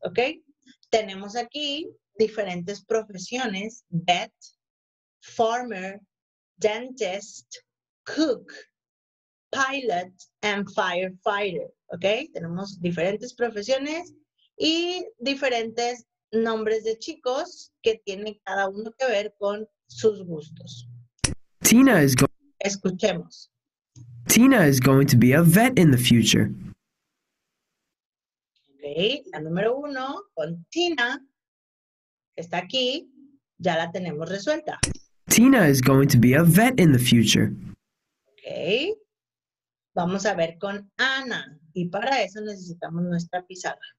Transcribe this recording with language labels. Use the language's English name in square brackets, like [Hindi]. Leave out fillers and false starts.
[English] Okay? [Spanish] Tenemos aquí diferentes profesiones: [English] vet, farmer, dentist, cook, pilot, and firefighter. Okay? [Spanish] Tenemos diferentes profesiones y diferentes nombres de chicos que tienen cada uno que ver con sus gustos. [English] Tina is going. [Spanish] Escuchemos. [English] Tina is going to be a vet in the future. [Spanish] Okay, la número uno con Tina, que está aquí, ya la tenemos resuelta. [English] Tina is going to be a vet in the future. [Spanish] Okay, vamos a ver con Ana, y para eso necesitamos nuestra pizarra.